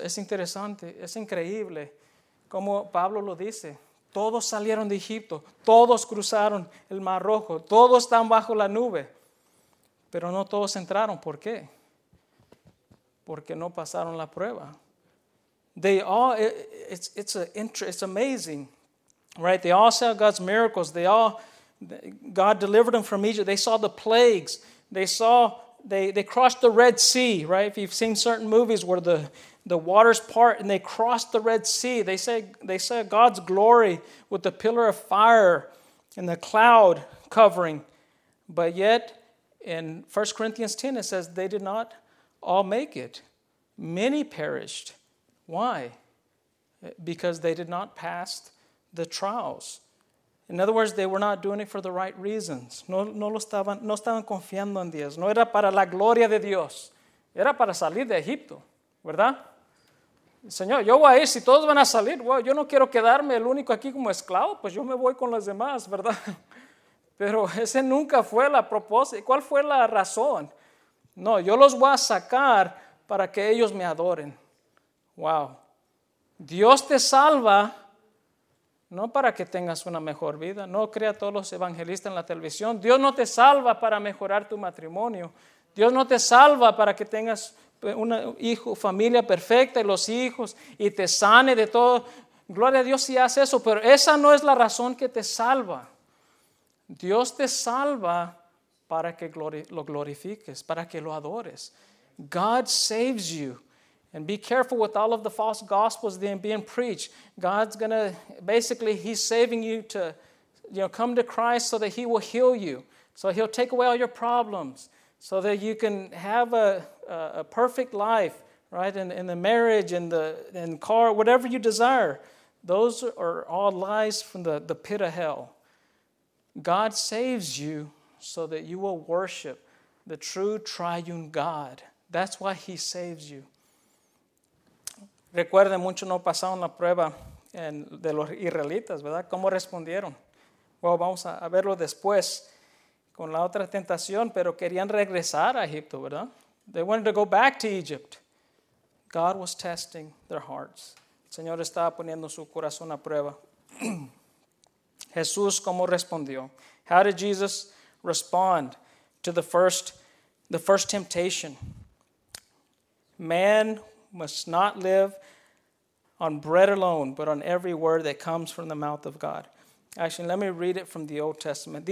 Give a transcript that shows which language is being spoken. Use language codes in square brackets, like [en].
[es] Es interesante, es increíble cómo Pablo lo dice. Todos salieron de Egipto, todos cruzaron el Mar Rojo, todos están bajo la nube, pero no todos entraron. ¿Por qué? Porque no pasaron la prueba. [en] They all, it's amazing, right? They all saw God's miracles. They all, God delivered them from Egypt. They saw the plagues. They saw, they crossed the Red Sea, right? If you've seen certain movies where the waters part and they crossed the Red Sea, they say God's glory with the pillar of fire and the cloud covering. But yet, in 1 Corinthians 10, it says they did not all make it. Many perished. Why? Because they did not pass the trials. In other words, they were not doing it for the right reasons. [es] No estaban confiando en Dios. No era para la gloria de Dios. Era para salir de Egipto, ¿verdad? Señor, yo voy a ir. Si todos van a salir, well, yo no quiero quedarme el único aquí como esclavo, pues yo me voy con los demás, ¿verdad? Pero ese nunca fue la propósito. ¿Cuál fue la razón? No, yo los voy a sacar para que ellos me adoren. Wow, Dios te salva no para que tengas una mejor vida. No crea todos los evangelistas en la televisión. Dios no te salva para mejorar tu matrimonio. Dios no te salva para que tengas una hijo, familia perfecta y los hijos y te sane de todo. Gloria a Dios si hace eso, pero esa no es la razón que te salva. Dios te salva para que lo glorifiques, para que lo adores. [en] God saves you. And be careful with all of the false gospels being preached. God's going to, basically, he's saving you to, you know, come to Christ so that he will heal you. So he'll take away all your problems so that you can have a perfect life, right? In the marriage, in the car, whatever you desire. Those are all lies from the pit of hell. God saves you so that you will worship the true triune God. That's why he saves you. [es] Recuerden, muchos no pasaron la prueba de los israelitas, ¿verdad? ¿Cómo respondieron? Bueno, vamos a verlo después con la otra tentación, pero querían regresar a Egipto, ¿verdad? [en] They wanted to go back to Egypt. God was testing their hearts. [es] El Señor estaba poniendo su corazón a prueba. Jesús, ¿cómo respondió? [en] How did Jesus respond to the first temptation? Man must not live on bread alone, but on every word that comes from the mouth of God. Actually, let me read it from the Old Testament.